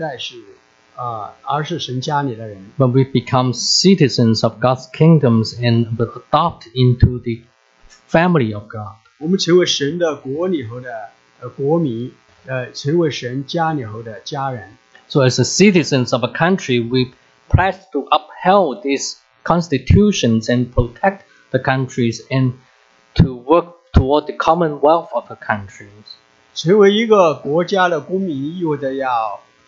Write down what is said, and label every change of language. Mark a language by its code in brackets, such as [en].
[zh] 那时候我们没有安息，但是当我们信主耶稣基督之后，我们不再是外人，不再是，而是神家里的人。 [en] But we become citizens of God's kingdoms and were adopted into the family of God. [zh] 我们成为神的国里头的国民，成为神家里头的家人。 [en] So as the citizens of a country, we pressed to uphold these constitutions and protect the countries and to work toward the commonwealth of the countries. [zh] 成为一个国家的公民意味着要,